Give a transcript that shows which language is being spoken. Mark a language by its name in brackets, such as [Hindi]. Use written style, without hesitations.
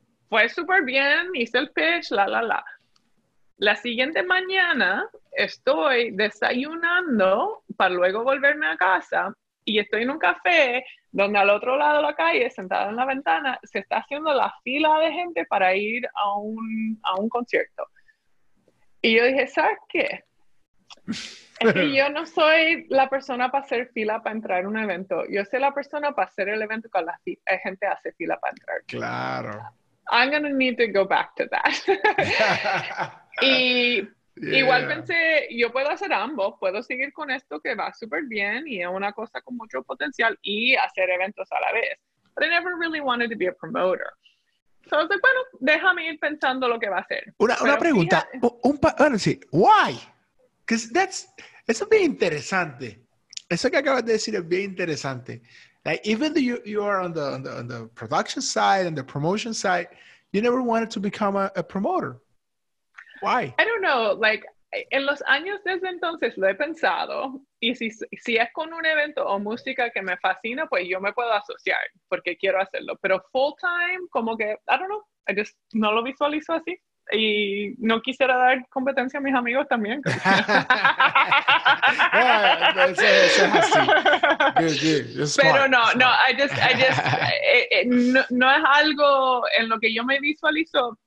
[Spanish] Fue súper bien, hice el pitch, la, la, la. La siguiente mañana estoy desayunando para luego volverme a casa y estoy en un café donde al otro lado de la calle, sentada en la ventana, se está haciendo la fila de gente para ir a un concierto. Y yo dije, ¿sabes qué? Es que yo no soy la persona para hacer fila para entrar en un evento. Yo soy la persona para hacer el evento cuando la gente hace fila para entrar. Claro. [English] I'm going to need to go back to that. [Spanish] Igual pensé, yo puedo hacer ambos. Puedo seguir con esto que va súper bien y es una cosa con mucho potencial y hacer eventos a la vez. [English] But I never really wanted to be a promoter. So I was like, [Spanish] bueno, déjame ir pensando lo que va a hacer. Una pregunta. [English] Why? Because [Spanish] eso es bien interesante. Eso que acabas de decir es bien interesante. [English] Like, even though you are on the production side and the promotion side, you never wanted to become a promoter. Why? I don't know. Like, [Spanish] En los años desde entonces lo he pensado, y si es con un evento o música que me fascina, pues yo me puedo asociar porque quiero hacerlo. Pero full time, como que, [English] I don't know, I just [Spanish] no lo visualizo así. Y no quisiera dar competencia a mis amigos también. Pero no, no es algo en lo que yo me visualizo.